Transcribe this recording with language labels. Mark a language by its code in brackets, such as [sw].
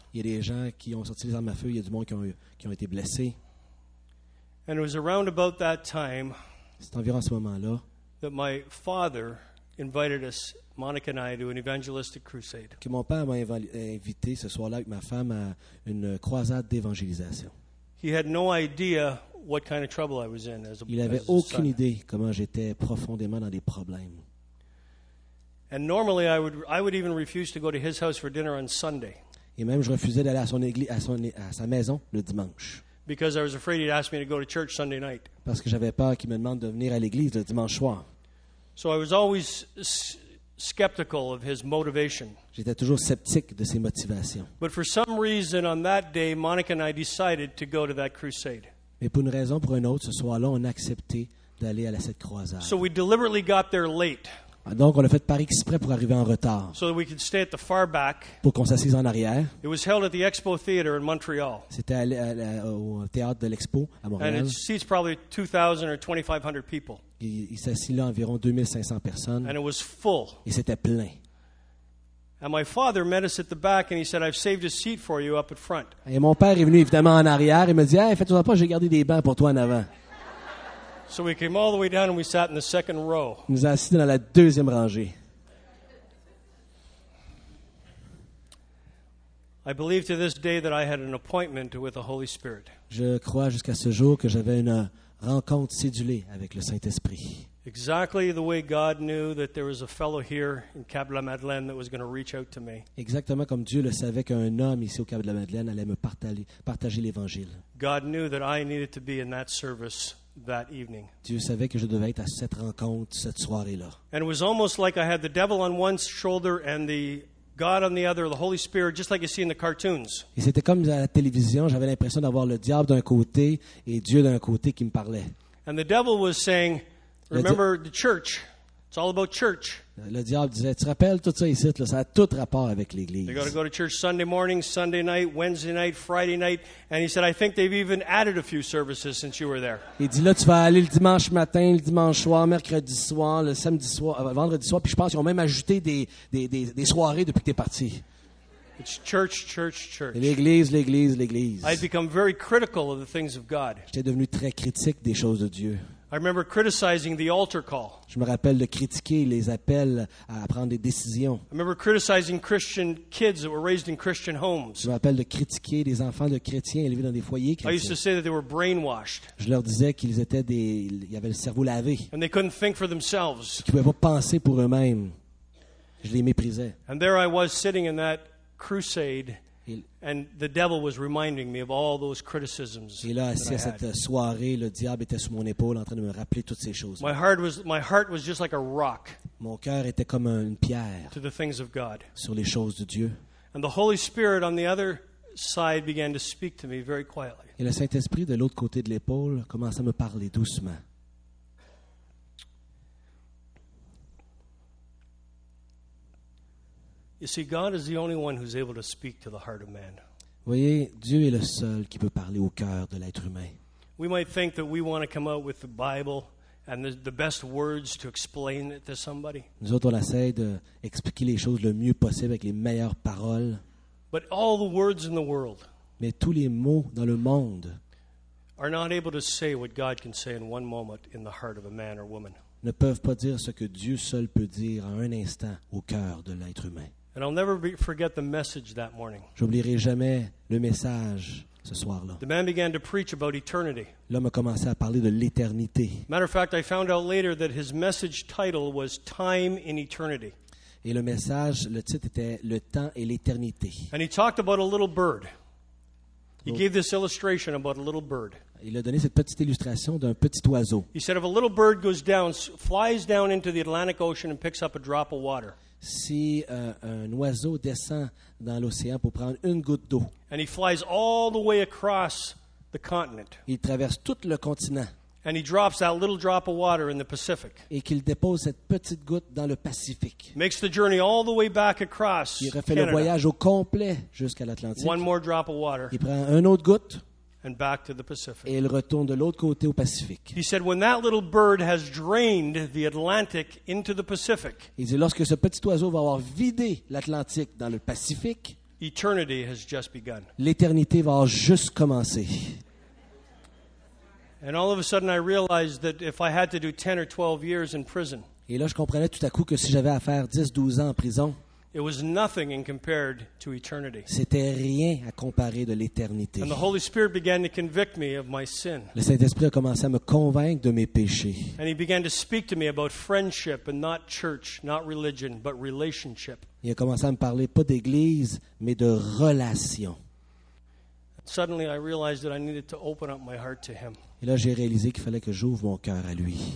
[fr] Il y a des gens qui ont sorti les armes à feu. Il y a du monde qui ont été blessés. [en] And it was around about that time. [fr] C'est environ à ce moment-là. [en] That my father invited us, Monica and I, to an evangelistic crusade. [fr] Que mon père m'a invité ce soir-là avec ma femme à une croisade d'évangélisation. [en] He had no idea what kind of trouble I was in as a son. [fr] Il avait aucune idée comment j'étais profondément dans des problèmes. [en] And normally I would even refuse to go to his house for dinner on Sunday. [fr] Et même je refusais d'aller à sa maison le dimanche. [en] Because I was afraid he'd ask me to go to church Sunday night. [fr] Parce que j'avais peur qu'il me demande de venir à l'église le dimanche soir. [en] So I was always skeptical of his motivation. [fr] J'étais toujours sceptique de ses motivations. [en] But for some reason on that day, Monica and I decided to go to that crusade. [fr] Mais pour une raison ou pour une autre, ce soir-là, on a accepté d'aller à cette croisade. [en] So we deliberately got there late. [fr] Donc, on a fait par exprès pour arriver en retard. [en] So that we could stay at the far back. [fr] Pour qu'on s'assise en arrière. [en] It was held at the Expo Theater in Montreal. [fr] C'était au théâtre de l'Expo à Montréal. [en] And it seats probably 2,000 or 2,500 people. [fr] Il s'assit là environ 2,500 personnes. [en] And it was full. [fr] Et c'était plein. [en] And my father met us at the back and he said, I've saved a seat for you up at front. [fr] Et mon père est venu évidemment en arrière et me dit, hey, fais-toi pas, j'ai gardé des bancs pour toi en avant. [en] So we came all the way down and we sat in the second row. [fr] Nous assis dans la deuxième rangée. [en] I believe to this day that I had an appointment with the Holy Spirit. [fr] Je crois jusqu'à ce jour que j'avais une rencontre cédulée avec le Saint-Esprit. [en] Exactly the way God knew that there was a fellow here in Cap-de-la-Madeleine that was going to reach out to me. [fr] Exactement comme Dieu le savait qu'un homme ici au Cap-de-la-Madeleine allait me partager l'évangile. [en] God knew that I needed to be in that service. That evening. [fr] Dieu savait que je devais être à cette rencontre cette soirée-là. [en] And it was almost like I had the devil on one shoulder and the God on the other, the Holy Spirit, just like you see in the cartoons. [fr] Et c'était comme à la télévision, j'avais l'impression d'avoir le diable d'un côté et Dieu d'un côté qui me parlait. [en] And the devil was saying, remember the church. It's all about church. [fr] Le diable disait, tu te rappelles tout ça ici, là, ça a tout rapport avec l'église. [en] They got to go to church Sunday morning, Sunday night, Wednesday night, Friday night, and he said, I think they've even added a few services since you were there. [fr] Il dit là, tu vas aller le dimanche matin, le dimanche soir, mercredi soir, le samedi soir, vendredi soir, puis je pense qu'ils ont même ajouté des soirées depuis que t'es parti. [en] It's church, church, church. [fr] L'église, l'église, l'église. [en] I've become very critical of the things of God. [fr] J'étais devenu très critique des choses de Dieu. [en] I remember criticizing the altar call. [fr] Je me rappelle de critiquer les appels à prendre des décisions. [en] I remember criticizing Christian kids that were raised in Christian homes. [fr] Je me rappelle de critiquer des enfants de chrétiens élevés dans des foyers chrétiens. [en] I used to say that they were brainwashed. [fr] Je leur disais qu'ils étaient ils avaient le cerveau lavé. [en] And they couldn't think for themselves. [fr] Ils pouvaient pas penser pour eux-mêmes. Je les méprisais. [en] And there I was sitting in that crusade. And the devil was reminding me of all those criticisms. [fr] Et là, assis à cette soirée, le diable était sous mon épaule en train de me rappeler toutes ces choses. [en] My heart was just like a rock. [fr] Mon cœur était comme une pierre. [en] To the things of God. [fr] Sur les choses de Dieu. [en] And the Holy Spirit on the other side began to speak to me very quietly. [fr] Et le Saint-Esprit de l'autre côté de l'épaule commençait à me parler doucement. [en] You see, God is the only one who's able to speak to the heart of man. [fr] Voyez, Dieu est le seul qui peut parler au cœur de l'être humain. [en] We might think that we want to come out with the Bible and the best words to explain it to somebody. [fr] Nous autres, on essaie d'expliquer les choses le mieux possible avec les meilleures paroles. [en] But all the words in the world. [fr] Mais tous les mots dans le monde. [en] Are not able to say what God can say in one moment in the heart of a man or woman. [fr] Ne peuvent pas dire ce que Dieu seul peut dire en un instant au cœur de l'être humain. [en] And I'll never forget the message that morning. [fr] J'oublierai jamais le message ce soir-là. [en] The man began to preach about eternity. [fr] L'homme a commencé à parler de l'éternité. [en] Matter of fact, I found out later that his message title was Time in Eternity. [fr] Et le message, le titre était Le temps et l'éternité. [en] And he talked about a little bird. He gave this illustration about a little bird. [fr] Il a donné cette petite illustration d'un petit oiseau. [en] He said, if a little bird goes down, flies down into the Atlantic Ocean and picks up a drop of water. [fr] Si un oiseau descend dans l'océan pour prendre une goutte d'eau. [en] And he flies all the way across the continent. [fr] Il traverse tout le continent. [en] And he drops that little drop of water in the Pacific. [fr] Et qu'il dépose cette petite goutte dans le Pacifique. [en] Makes the journey all the way back across. [fr] Il refait le voyage au complet jusqu'à l'Atlantique. [en] One more drop of water. [fr] Il prend une autre goutte. [en] And back to the Pacific. [fr] Et il retourne de l'autre côté au Pacifique. [en] He said, when that little bird has drained the Atlantic into the Pacific. [fr] Il dit lorsque ce petit oiseau va avoir vidé l'Atlantique dans le Pacifique. [en] Eternity has just begun. [fr] L'éternité va avoir juste commencé. [en] And all of a sudden I realized that if I had to do 10 or 12 years in prison. [fr] Et là je comprenais tout à coup que si j'avais à faire 10 12 ans en prison. [en] It was nothing in compared to eternity. [fr] C'était rien à comparer de l'éternité. [en] And the Holy Spirit began to convict me of my sin. [fr] Le Saint-Esprit a commencé à me convaincre de mes péchés. [en] And he began to speak to me about friendship and not church, not religion, but relationship. [fr] Il a commencé à me parler pas d'église, mais de relation. [en] Suddenly I realized that I needed to open up my heart to him. [fr] Et là, j'ai réalisé qu'il fallait que j'ouvre mon cœur à lui.